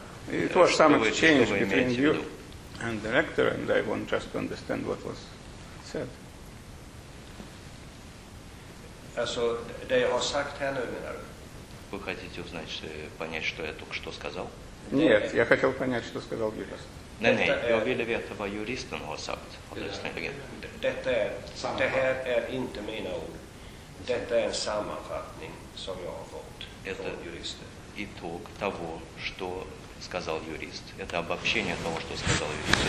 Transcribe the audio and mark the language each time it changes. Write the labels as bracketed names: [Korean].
[English] It was some exchange between you and the rector, and I want just to understand what was said. [Russian] Вы хотите понять, что я только что сказал? Нет, я хотел понять, что сказал юрист. [Swedish] Nej, jag ville veta vad juristen har sagt. Det här är inte mina ord. Det är en sammanfattning som jag har fått från juristen. [Russian] Итог того, что сказал юрист. Это обобщение того, что сказал юрист.